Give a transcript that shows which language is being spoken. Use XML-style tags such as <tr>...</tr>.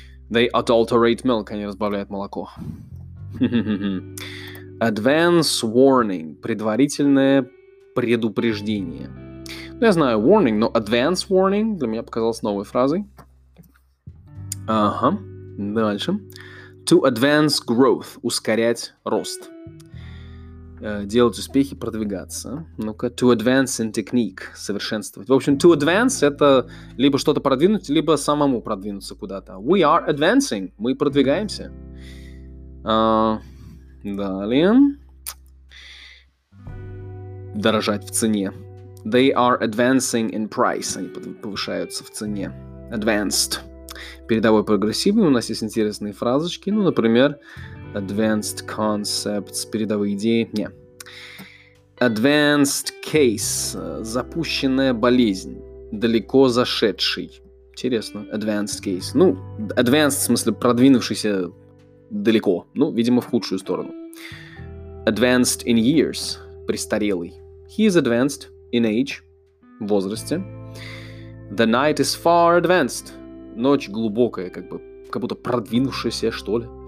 <en>They adulterate milk,</en> <ru>они разбавляют молоко.</ru> <en>Advance warning,</en> <ru>предварительное предупреждение. Ну, я знаю warning, но advance warning для меня показалось новой фразой. Ага, дальше.</ru> <en>To advance growth,</en> <ru>ускорять рост. Делать успехи, продвигаться. Ну-ка,</ru> <en>to advance in technique,</en> <ru>совершенствовать. В общем, to advance — это либо что-то продвинуть, либо самому продвинуться куда-то.</ru> <en>We are advancing,</en> <ru>мы продвигаемся. Далее. Дорожать в цене.</ru> <en>They are advancing in price,</en> <ru>они повышаются в цене.</ru> <en>Advanced.</en> <ru>Передовой прогрессивный, у нас есть интересные фразочки, ну, например,</ru> <en>advanced concepts,</en> <ru>передовые идеи, не.</ru> <en>Advanced case,</en> <ru>запущенная болезнь, далеко зашедший. Интересно, advanced case. Ну, advanced, в смысле, продвинувшийся далеко, ну, видимо, в худшую сторону.</ru> <en>Advanced in years,</en> <ru>престарелый.</ru> <en>He is advanced in age,</en> <ru>в возрасте.</ru> <en>The night is far advanced.</en> <ru>Ночь глубокая, как бы, как будто продвинувшаяся, что ли.</ru>